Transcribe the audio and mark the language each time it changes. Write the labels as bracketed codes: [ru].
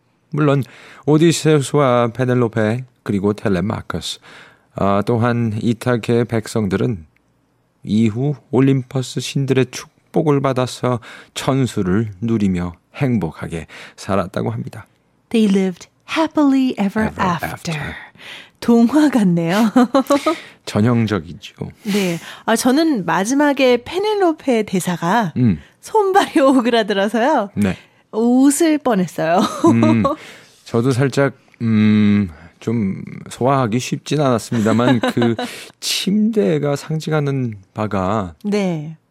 [ko] 물론 오디세우스와 페넬로페 그리고 텔레마커스 또한 이타케의 백성들은 이후 올림퍼스 신들의 축복을 받아서 천수를 누리며 행복하게 살았다고 합니다. [en] They lived happily ever after. [ko] 동화 같네요. 전형적이죠. 네. 아, 저는 마지막에 페넬로페 대사가 손발이 오그라들어서요. 네. 웃을 뻔했어요. 저도 살짝, 좀 소화하기 쉽진 않았습니다만 그 침대가 상징하는 바가 네.